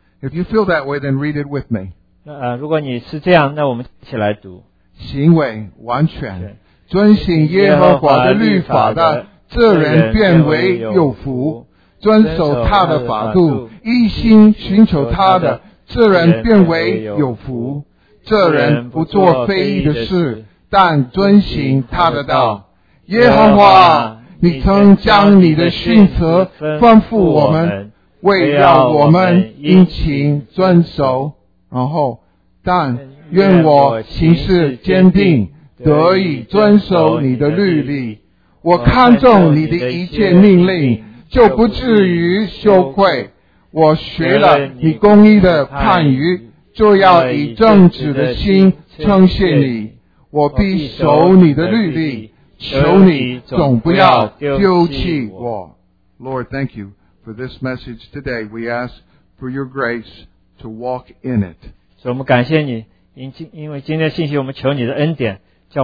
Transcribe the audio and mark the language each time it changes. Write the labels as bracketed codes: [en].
[en] If you feel that way, then read it with me. [zh] 如果你是这样，那我们一起来读。行为完全，遵行耶和华的律法的，这人变为有福；遵守他的法度，一心寻求他的，这人变为有福。这人不做非义的事，但遵行他的道。耶和华，你曾将你的训词吩咐我们。为要我们殷勤遵守，然后，但愿我行事坚定，得以遵守你的律例。我看重你的一切命令，就不至于羞愧。我学了你公义的判语，就要以正直的心称谢你。我必守你的律例，求你总不要丢弃我。 [en] Lord, thank you. For this message today, we ask for your grace to walk in it. [zh] 所以我们感谢你，因为今天的信息，我们求你的恩典，叫我们能够行在其上。